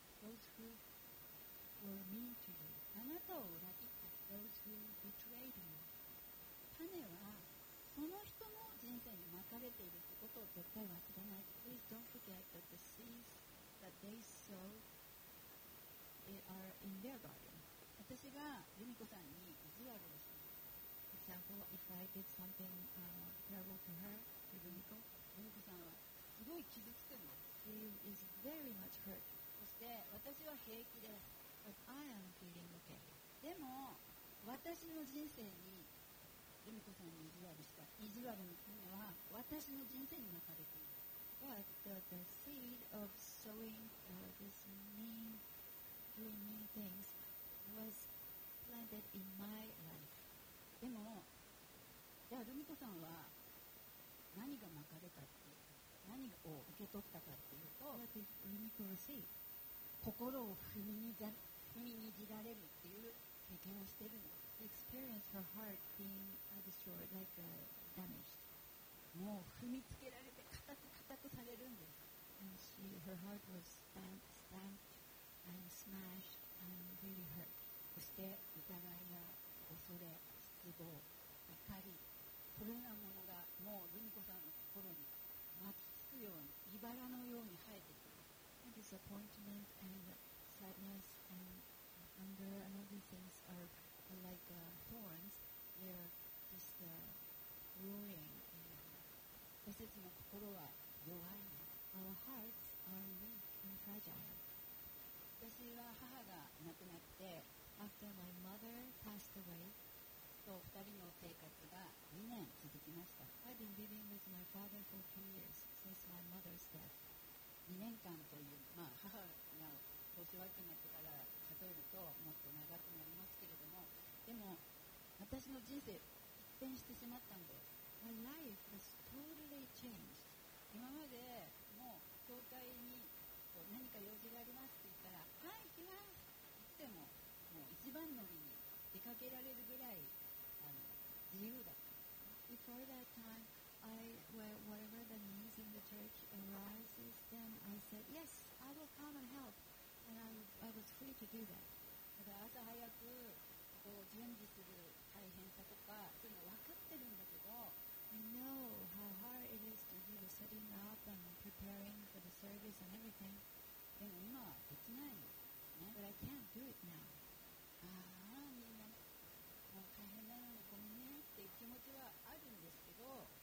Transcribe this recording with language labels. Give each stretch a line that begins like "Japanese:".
English: those who were mean to you.
Japanese: あなたを裏切った
English: 、 those who betrayed you.
Japanese: 種はその人の人生にまかれているってことを絶対忘れない。
English: Please don't forget that the seeds that they sow, they are in their garden.
Japanese: 私がユミコさんに意地悪をした、
English: For example, if I did something terrible to her, to Yumiko,
Japanese: Yumiko さんはすごい傷つくの。
English: She is very much hurt.
Japanese: そして私は平気です。
English: But I am feeling okay.
Japanese: でも私の人生に Yumiko さんに意地悪した、意地悪の種は私の人生にまかれている。
English: But the seed of sowing this mean, doing mean things was planted in my life.
Japanese: でも、じゃあルミコさんは何がまかれたっていうか、何を受け取ったかっていうと、
English: What did Rumiko receive?
Japanese: 心を踏みにじられるっていう経験をしてるの。
English: Experience her heart being destroyed, like damaged.
Japanese: もう踏みつけられて固くされるんです。
English: And she, her heart was stamped and smashed and really hurt.
Japanese: そして疑いや恐れ、怒り、それうルミコさんの心に巻きつくように茨のように生えてくる。
English: Disappointment and sadness and anger and other things are like thorns. They're just growing in our heart.
Japanese: 私たちの心は弱いの。
English: Our hearts are weak and fragile.
Japanese: 私は母が亡くなって、
English: After my mother passed away,
Japanese: 二人の生活が2年続きました。
English: I've been living with my father for 2 years since my mother's death.
Japanese: 2年間という、まあ、母が年若くなってから数えるともっと長くなりますけれども、でも私の人生一変してしまったんです。
English: My life has totally changed.
Japanese: 今までもう教会にこう何か用事がありますって言ったら、はい、行きます。いつでも。もう一番乗りに出かけられるぐらい自由だった。
English: Before that time, I, whatever the needs in the church arises, then I said, yes, I will come and help. And I was free to do that.
Japanese: ただ朝早くこう準備する大変さとか、そういうの分かってるんだけど、
English: I know how hard it is to do the setting up and preparing for the service and everything.
Japanese: でも今はできないの、ね。
English: But I can't do it now.
Japanese: ああみんなもう大変なのにごめんねっていう気持ちはあるんですけど、